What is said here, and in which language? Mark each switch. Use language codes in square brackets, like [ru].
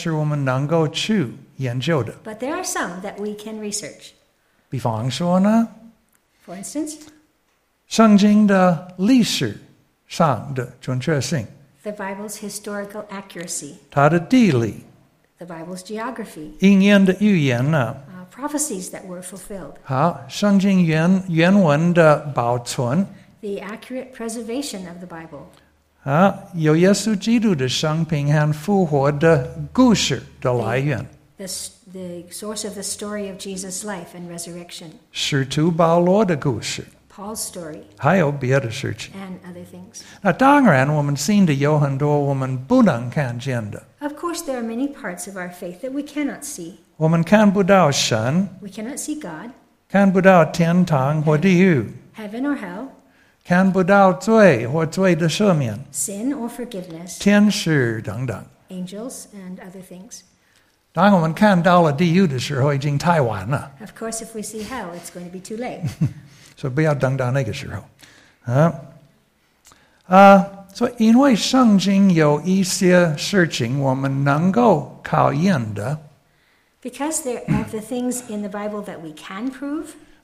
[zh] 但是有一些是我们能够去研究的。 [en] But there are some that we can research. [zh] 比方说呢? [en] For instance? [zh] 圣经的历史上的准确性。 [en] The Bible's historical accuracy. [zh] 它的地理。 [en] The Bible's geography. [zh] 应验的预言呢? [en] Prophecies that were fulfilled. [zh] 好,圣经原文的保存。 [en] The accurate preservation of the Bible. [zh] 有耶稣基督的生平和复活的故事的来源。 [en] The source of the story of Jesus' life and resurrection. [zh] 使徒保罗的故事。 [en] Paul's story. [zh] 还有别的事情。 [en] And other things. [zh] 那当然我们信的有很多我们不能看见的。 [en] Of course, there are many parts of our faith that we cannot see. [zh] 我们看不到神。 [en] We cannot see God. [zh] 看不到天堂或地狱。 [en] Heaven or hell. [zh] 看不到罪或罪的赦免, [en] sin or forgiveness, [zh] 天使等等, [en] angels and other things. [zh] 当我们看到了地狱的时候已经太晚了, [en] of course, if we see hell, it's going to be too late. [zh] 所以不要等到那个时候。所以因为圣经有一些事情我们能够考验的, [en] because there are the things in the Bible that we can prove,